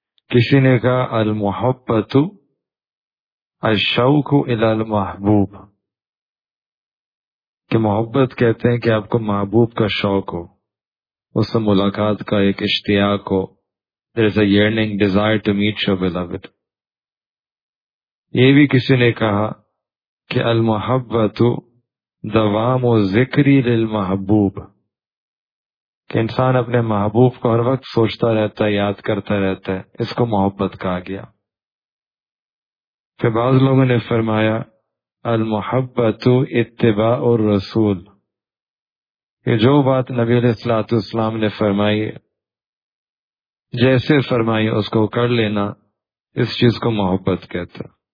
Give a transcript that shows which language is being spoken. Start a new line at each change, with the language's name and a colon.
Urdu: کسی نے کہا
Arabic: المحبت الشوق الى المحبوب,
Urdu: کہ محبت کہتے ہیں کہ آپ کو محبوب کا شوق ہو, اس سے ملاقات کا ایک اشتیاق ہو.
English: There is a yearning desire to meet your beloved.
Urdu: یہ بھی کسی نے کہا کہ
Arabic: المحبت دوام و ذکری للمحبوب،
Urdu: کہ انسان اپنے محبوب کو ہر وقت سوچتا رہتا ہے، یاد کرتا رہتا ہے، اس کو محبت کہا گیا. پھر بعض لوگوں نے فرمایا
Arabic: المحبت اتباع الرسول،
Urdu: کہ جو بات نبی علیہ الصلوۃ والسلام نے فرمائی جیسے فرمائی اس کو کر لینا، اس چیز کو محبت کہتا.